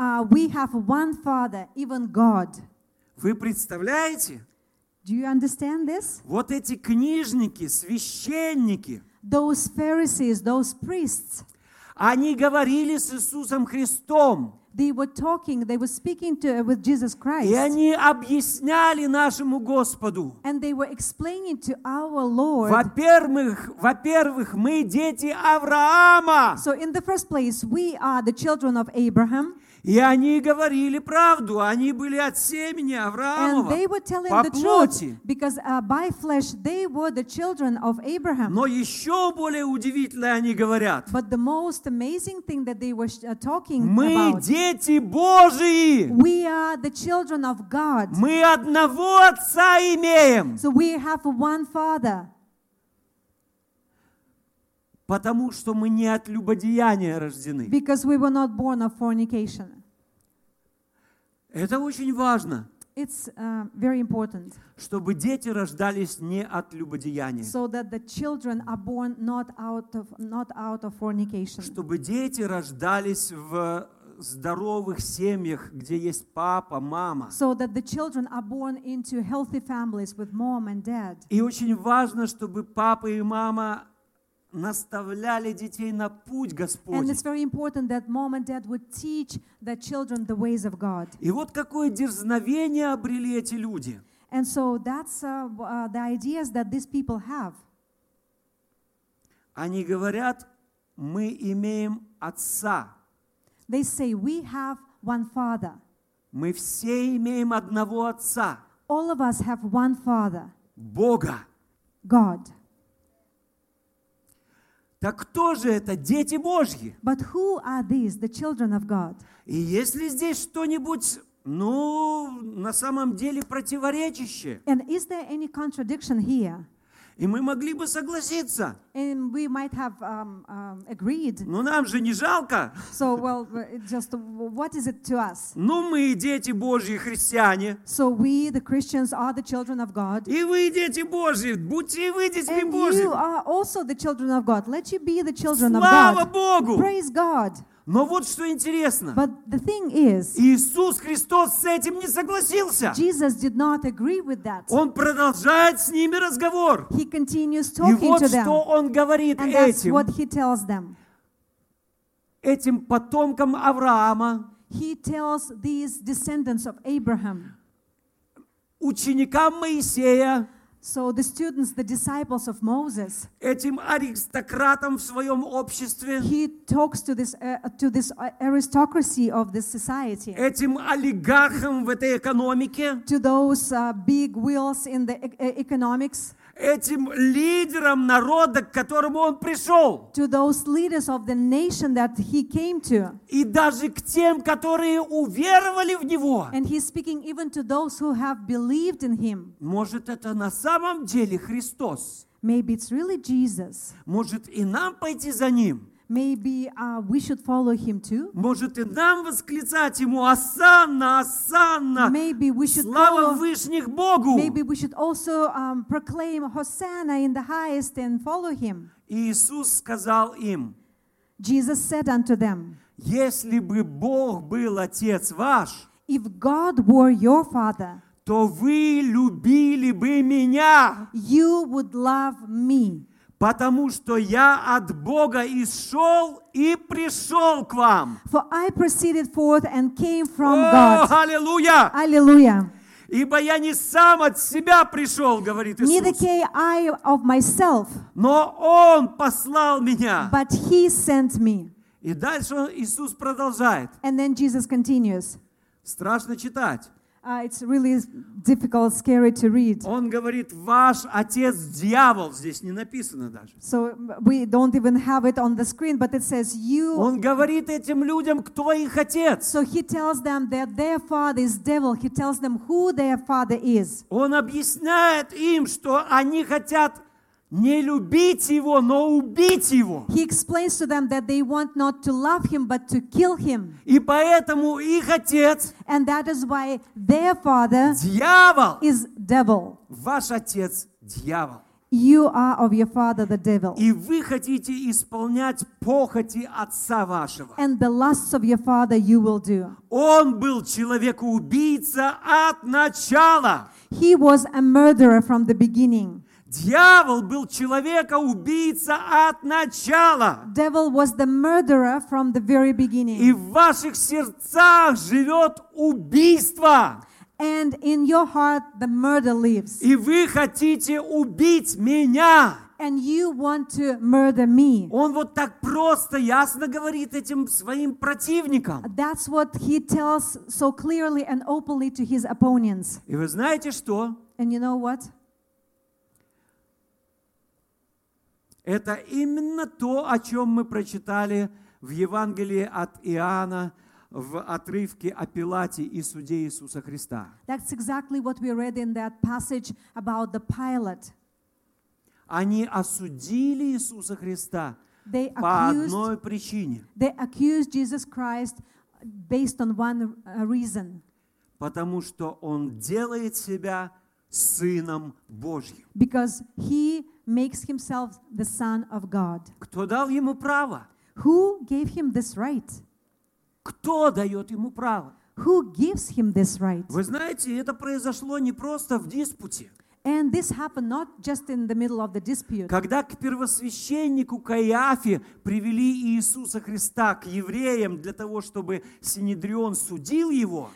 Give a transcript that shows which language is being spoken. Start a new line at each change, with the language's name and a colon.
English: We have one father, even God.
Russian: Вы представляете?
English: Do you understand this?
Russian: Вот эти книжники, священники.
English: Those Pharisees, those priests.
Russian: Они говорили с Иисусом Христом.
English: they were talking, they were speaking to with Jesus Christ.
Russian: И они объясняли нашему Господу.
English: And they were explaining to our Lord.
Russian: Во-первых, мы дети Авраама.
English: So in the first place, we are the children of Abraham.
Russian: И они говорили правду, они были от семени Авраамова.
English: And they were telling the truth, because by flesh they were the children of Abraham.
Russian: Но еще более удивительное они говорят.
English: But the most amazing thing that they were talking
Russian: мы
English: about.
Russian: Мы дети Божии.
English: We are the children of God.
Russian: Мы одного отца имеем.
English: So we have one father.
Russian: Потому что мы не от любодеяния рождены.
English: Because we were not born of fornication.
Russian: Это очень важно.
English: It's very important.
Russian: Чтобы дети рождались не от любодеяния.
English: So that the children are born not out of fornication.
Russian: Чтобы дети рождались в здоровых семьях, где есть папа, мама.
English: So that the children are born into healthy families with mom and dad.
Russian: И очень важно, чтобы папа и мама наставляли детей на путь Господень.
English: And it's very important that mom and dad would teach the children the ways of God.
Russian: И вот какое дерзновение обрели эти люди.
English: And so that's the ideas that these people have.
Russian: Они говорят, мы имеем отца.
English: They say we have one father.
Russian: Мы все имеем одного отца.
English: All of us have one father.
Russian: Бога.
English: God.
Russian: Так кто же это? Дети Божьи.
English: But who are these, the children of God?
Russian: И есть ли здесь что-нибудь, ну, на самом деле противоречащее?
English: And is there any contradiction here?
Russian: И мы могли бы согласиться.
English: And we might have, agreed.
Russian: Но нам же не жалко.
English: So, well, just, what is it to us?
Russian: Ну, мы дети Божьи, христиане.
English: So we, the Christians, are the children of God.
Russian: И вы дети Божьи, будьте и вы детьми Божьими.
English: And you are also the children of God. Let you be the children
Russian: Слава
English: of God.
Russian: Слава Богу!
English: Praise God.
Russian: Но вот что интересно.
English: But the thing is,
Russian: Иисус Христос с этим не согласился.
English: Jesus did not agree with that.
Russian: Он продолжает с ними разговор.
English: He continues talking
Russian: вот
English: to them.
Russian: И вот что он говорит
English: And
Russian: этим.
English: And that's what he tells them.
Russian: Этим потомкам Авраама.
English: He tells these descendants of Abraham.
Russian: Ученикам Моисея.
English: So the students, the disciples of Moses.
Russian: Этим аристократам в своем обществе.
English: He talks to this aristocracy of this society.
Russian: Этим олигархам в этой экономике.
English: To those big wheels in the economics.
Russian: Этим лидерам народа, к которому он пришел.
English: To those leaders of the nation that he came to.
Russian: И даже к тем, которые уверовали в него.
English: And he's speaking even to those who have believed in him.
Russian: Может, это на самом деле Христос?
English: Maybe it's really Jesus.
Russian: Может, и нам пойти за ним?
English: Maybe we should follow him too.
Russian: Может, и нам восклицать ему «Осанна! Осанна!
English: Maybe we should
Russian: Слава Вышних Богу!»
English: Maybe we should also proclaim Hosanna in the highest and follow him.
Russian: Иисус сказал им,
English: Jesus said unto them,
Russian: «Если бы Бог был Отец ваш,
English: if God were your father,
Russian: то вы любили бы меня!»
English: You would love me.
Russian: Потому что я от Бога исшел и пришел к вам.
English: For I proceeded forth and came from God.
Russian: Аллилуйя! Аллилуйя! Ибо я не сам от себя пришел, говорит Иисус.
English: Neither came I of myself.
Russian: Но Он послал меня.
English: But He sent me.
Russian: И дальше Иисус продолжает.
English: And then Jesus continues.
Russian: Страшно читать.
English: It's really difficult, scary to read.
Russian: Он говорит, ваш отец дьявол. Здесь не написано даже.
English: So we don't even have it on the screen, but it says you.
Russian: Он говорит этим людям, кто их отец.
English: So he tells them that their father is devil. He tells them who their father is.
Russian: Он объясняет им, что они хотят не любить его, но убить его.
English: He explains to them that they want not to love him, but to kill him.
Russian: И поэтому их отец,
English: and that is why their father,
Russian: дьявол,
English: is devil.
Russian: Ваш отец дьявол.
English: You are of your father the devil.
Russian: И вы хотите исполнять похоти отца вашего.
English: And the lusts of your father you will do.
Russian: Он был человекоубийца от начала.
English: He was a murderer from the beginning.
Russian: Дьявол был человека убийца от начала.
English: Devil was the murderer from the very beginning.
Russian: И в ваших сердцах живет убийство.
English: And in your heart the murder lives.
Russian: И вы хотите убить меня.
English: And you want to murder me.
Russian: Он вот так просто ясно говорит этим своим противникам.
English: That's what he tells so clearly and openly to his opponents.
Russian: И вы знаете что?
English: And you know what?
Russian: Это именно то, о чем мы прочитали в Евангелии от Иоанна в отрывке о Пилате и суде Иисуса Христа.
English: That's exactly what we read in that passage about the Pilate.
Russian: Они осудили Иисуса Христа по одной причине.
English: They accused Jesus Christ based on one reason.
Russian: Потому что Он делает себя Сыном Божьим.
English: Because He makes Himself the Son of God.
Russian: Кто дал Ему право?
English: Who gave Him this right?
Russian: Кто дает Ему право?
English: Who gives Him this right?
Russian: Вы знаете, это произошло не просто в диспуте.
English: And this happened not just in the middle of the dispute.
Russian: Когда к первосвященнику Каиафе привели Иисуса Христа к евреям для того, чтобы Синедрион судил его.